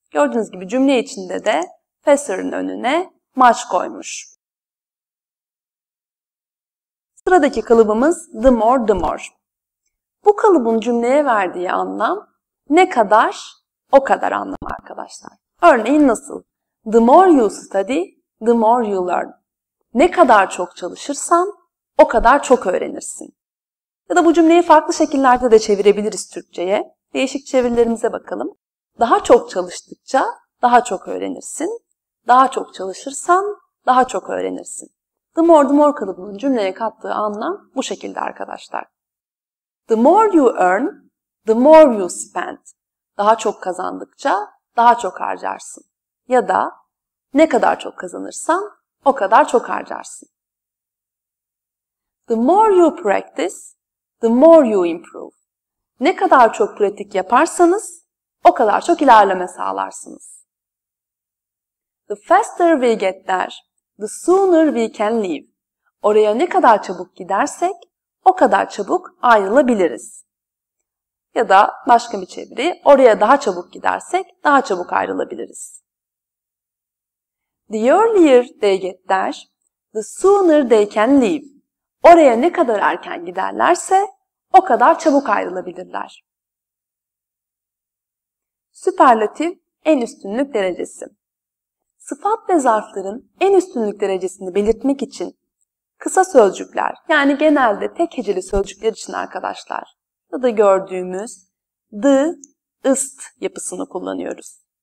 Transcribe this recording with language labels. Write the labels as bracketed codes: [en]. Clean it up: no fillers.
[tr] Gördüğünüz gibi cümle içinde de faster'ın önüne much koymuş. Sıradaki kalıbımız the more the more. Bu kalıbın cümleye verdiği anlam ne kadar o kadar anlamı arkadaşlar. Örneğin nasıl? [en] The more you study, the more you learn. [tr] Ne kadar çok çalışırsan o kadar çok öğrenirsin. Ya da bu cümleyi farklı şekillerde de çevirebiliriz Türkçe'ye. Değişik çevirilerimize bakalım. Daha çok çalıştıkça daha çok öğrenirsin. Daha çok çalışırsan daha çok öğrenirsin. The more the more kalıbının cümleye kattığı anlam bu şekilde arkadaşlar. [en] The more you earn, the more you spend. [tr] Daha çok kazandıkça daha çok harcarsın. Ya da ne kadar çok kazanırsan o kadar çok harcarsın. [en] The more you practice, the more you improve. [tr] Ne kadar çok pratik yaparsanız o kadar çok ilerleme sağlarsınız. [en] The faster we get there, the sooner we can leave. [tr] Oraya ne kadar çabuk gidersek o kadar çabuk ayrılabiliriz. Ya da başka bir çeviri, oraya daha çabuk gidersek daha çabuk ayrılabiliriz. [en] The earlier they get there, the sooner they can leave. [tr] Oraya ne kadar erken giderlerse o kadar çabuk ayrılabilirler. Süperlatif en üstünlük derecesi. Sıfat ve zarfların en üstünlük derecesini belirtmek için kısa sözcükler, yani genelde tek heceli sözcükler için arkadaşlar, ya da gördüğümüz the, ist yapısını kullanıyoruz.